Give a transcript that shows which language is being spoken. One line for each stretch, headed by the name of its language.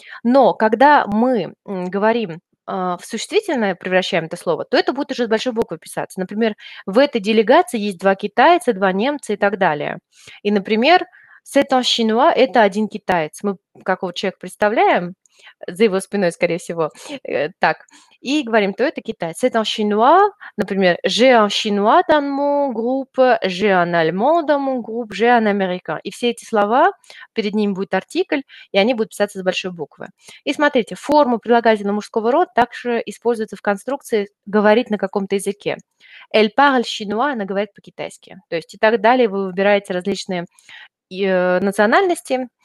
Russian: Но когда мы говорим в существительное, превращаем это слово, то это будет уже с большой буквы писаться. Например, в этой делегации есть два китайца, два немца и так далее. И, например,
French: c'est un chinois
Russian: – это один китаец. Мы какого человека представляем, за его спиной, скорее всего, так. И говорим, то это китаец.
French: C'est un chinois,
Russian: например,
French: j'ai un chinois dans mon groupe, j'ai un allemand dans mon groupe, j'ai un américain.
Russian: И все эти слова, перед ними будет артикль, и они будут писаться с большой буквы. И смотрите, форму прилагательного мужского рода также используется в конструкции «говорить на каком-то языке».
French: Elle parle chinois
Russian: – она говорит по-китайски. То есть и так далее вы выбираете различные национальности.